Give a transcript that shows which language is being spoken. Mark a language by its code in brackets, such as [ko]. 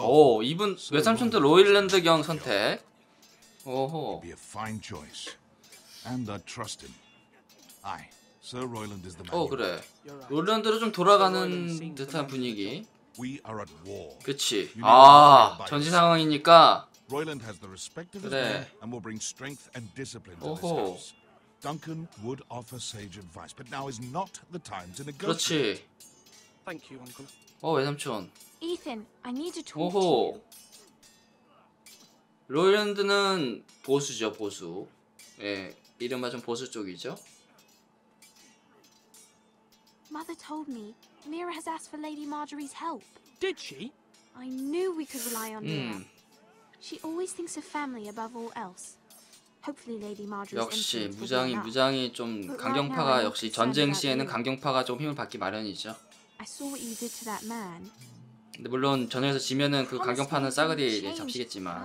[ko] 오, 이분 외삼촌도 로일랜드 경 선택. 오호. [en] Be a fine choice. And I trust him. I, Sir Roiland is the man. [ko] 오, 그래. 로일랜드로 좀 돌아가는 듯한 분위기. [en] We are at war. [ko] 그렇지. 아, 전시 상황이니까. [en] Roiland has the respect of his men and will bring strength and discipline to this house. Duncan would offer sage advice, but now is not the time to negotiate. [ko] 그렇지. [en] Thank you, uncle. [ko] 어, 외삼촌. [en] Ethan, I need to talk to you. [ko] 로일랜드는 보수죠, 보수. 예, 이른바 좀 보수 쪽이죠. [en] Mother told me Mira has asked for Lady Marjorie's help. Did she? I knew we could rely on Mira. She always thinks of family above all else. Hopefully, Lady Marjorie. [ko] 역시 무장이 무장이 좀 강경파가 역시 전쟁 시에는 강경파가 좀 힘을 받기 마련이죠. [en] I saw what you did to that man. [ko] 근데 물론 전쟁에서 지면은 그 강경파는 싸그리 잡히겠지만.